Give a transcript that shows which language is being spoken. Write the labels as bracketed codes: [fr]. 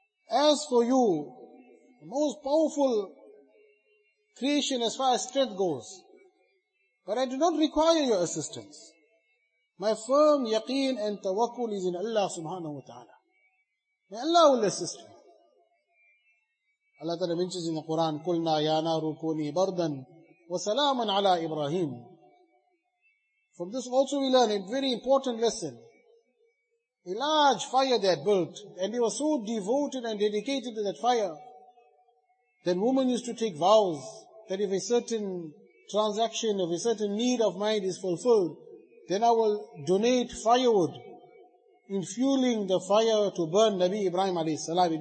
[en] As for you, the most powerful creation as far as strength goes, But I do not require your assistance. My firm yaqeen and tawakkul is in Allah subhanahu wa ta'ala. May Allah will assist me. Allah Ta'ala mentions in the Quran, [ar] قُلْنَا يَا نَارُ كُونِي بَرْدًا وَسَلَامًا عَلَىٰ إِبْرَاهِيمُ. [en] From this also we learn a very important lesson. A large fire they had built, and they were so devoted and dedicated to that fire, that women used to take vows that if a certain transaction, if a certain need of mine is fulfilled, then I will donate firewood in fueling the fire to burn Nabi Ibrahim alayhi salam.